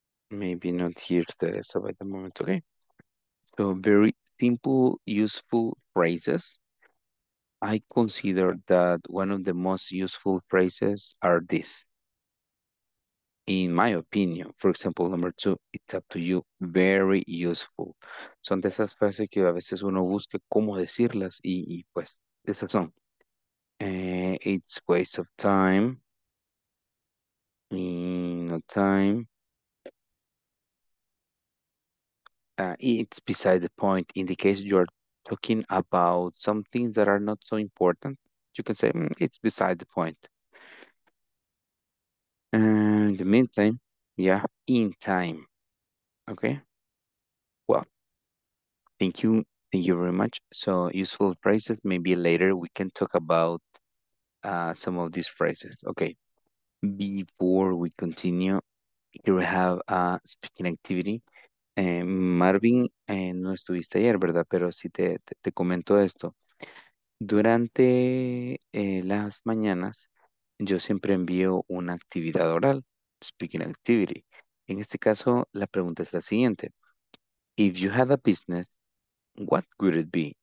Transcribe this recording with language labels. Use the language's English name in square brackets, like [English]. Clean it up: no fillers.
[English] Maybe not here, Teresa, by the moment, okay? So very simple, useful phrases. I consider that one of the most useful phrases are this. In my opinion, for example, number two, it's up to you, very useful. [Spanish] Son de esas frases que a veces uno busca cómo decirlas y pues, esas son. [English] It's waste of time. In no time. It's beside the point. In the case you're talking about some things that are not so important, you can say it's beside the point. In the meantime, yeah, in time. Okay. Well, thank you. Thank you very much. So useful phrases. Maybe later we can talk about some of these phrases. Okay. Before we continue, here we have a speaking activity. [Spanish] Marvin, no estuviste ayer, ¿verdad? Pero sí te comento esto. Durante las mañanas, yo siempre envío una actividad oral, speaking activity. En este caso, la pregunta es la siguiente. [English] If you had a business, what would it be?